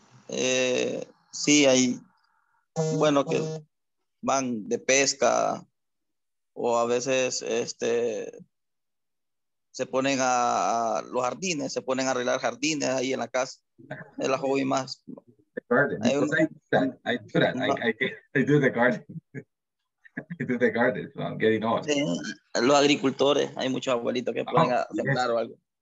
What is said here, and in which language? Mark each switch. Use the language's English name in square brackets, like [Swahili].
[Spanish] Sí, hay bueno que van de pesca o a veces se ponen a los jardines, se ponen a arreglar jardines ahí en la casa. Es la hobby más. [English] The garden. I do the garden, so I'm getting old. [Spanish] Sí, los agricultores, hay muchos abuelitos que pueden sembrar o algo.